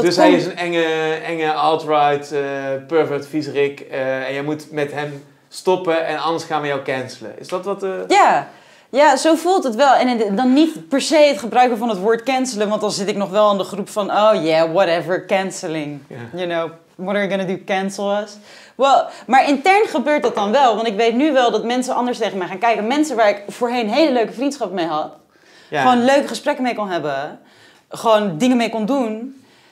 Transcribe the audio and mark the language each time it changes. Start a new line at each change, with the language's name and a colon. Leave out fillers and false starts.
Dutch: Dus hij is een enge alt-right, pervert, viezerik. En je moet met hem stoppen en anders gaan we jou cancelen. Is dat wat... Ja, zo voelt het wel. En dan niet per se het gebruiken van het woord cancelen. Want dan zit ik nog wel in de groep van...
English: Oh yeah, whatever, canceling. Yeah. You know, what are you gonna do, cancel us? Well,
Dutch: maar intern gebeurt dat dan wel. Want ik weet nu wel dat mensen anders tegen mij gaan kijken. Mensen waar ik voorheen hele leuke vriendschap mee had. Ja. Gewoon leuke gesprekken mee kon hebben. Gewoon dingen mee kon doen.